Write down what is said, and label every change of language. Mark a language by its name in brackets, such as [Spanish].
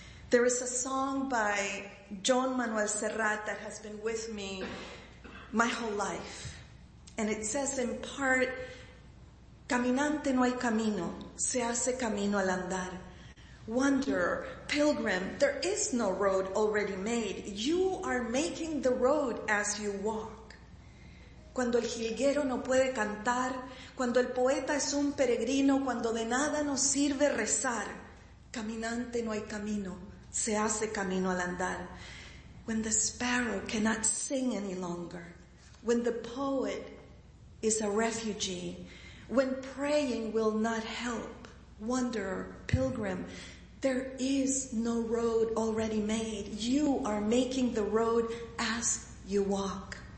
[English] There is a song by John Manuel Serrat that has been with me my whole life. And it says in part, [Spanish] caminante no hay camino, se hace camino al andar. [English] Wanderer, pilgrim, there is no road already made. You are making the road as you walk. [Spanish] Cuando el jilguero no puede cantar, cuando el poeta es un peregrino, cuando de nada nos sirve rezar, caminante no hay camino, se hace camino al andar. [English] When the sparrow cannot sing any longer, when the poet is a refugee, when praying will not help, wanderer, pilgrim, there is no road already made. You are making the road as you walk.